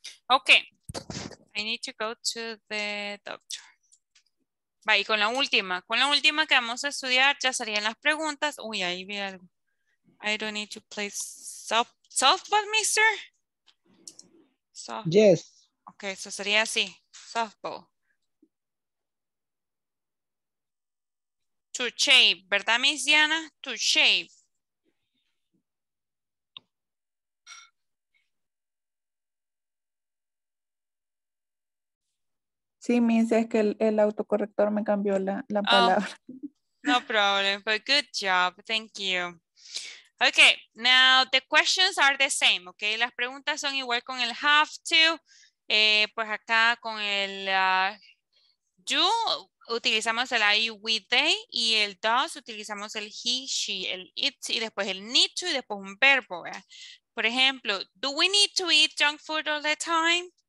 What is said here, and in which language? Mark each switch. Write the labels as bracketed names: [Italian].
[English] Okay, I need to go to the doctor. [Spanish] Va, y con la última que vamos a estudiar, ya serían las preguntas. Uy, ahí vi algo. [English] I don't need to play softball, mister. Softball. Yes. [Spanish] Okay, eso sería así, softball. [English] To shave, ¿verdad, Miss Diana? To shave. [Spanish] Sí, Miss, es que el autocorrector me cambió la palabra. [English] No problem, but good job. Thank you. Okay, now the questions are the same, okay? [Spanish] Las preguntas son igual con el have to. Pues acá con el do, utilizamos el I, we, they, y el does, utilizamos el he, she, el it, y después el need to, y después un verbo, ¿verdad? Por ejemplo, [English] do we need to eat junk food all the time?